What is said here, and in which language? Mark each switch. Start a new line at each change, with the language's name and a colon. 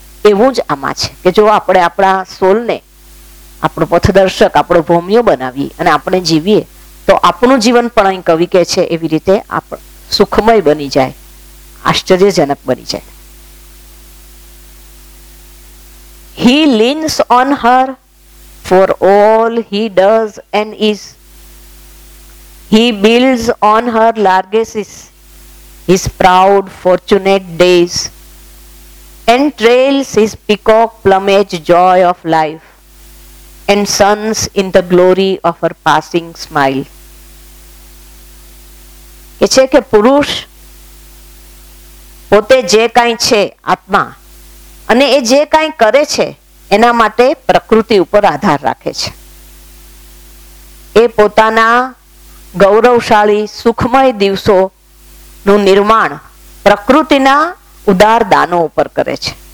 Gujarati: એવું જ આમાં છે કે જો આપણે આપણા સોલને આપણો પથદર્શક, આપણો ભૂમિઓ બનાવીએ અને આપણે જીવીએ તો આપણું જીવન પણ અહીં કવિ કહે છે એવી રીતે આપણે સુખમય બની જાય, આશ્ચર્યજનક બની જાય.
English: He leans on her for all he does and is. He builds on her largesses, his proud fortunate days, and trails his peacock plumage joy of life, and suns in the glory of her passing smile.
Gujarati: કે છે કે પુરુષ પોતે જે કાંઈ છે આત્મા, અને એ જે કાંઈ કરે છે એના માટે પ્રકૃતિ ઉપર આધાર રાખે છે. એ પોતાના ગૌરવશાળી સુખમય દિવસોનું નિર્માણ પ્રકૃતિના ઉદાર દાનો ઉપર કરે છે.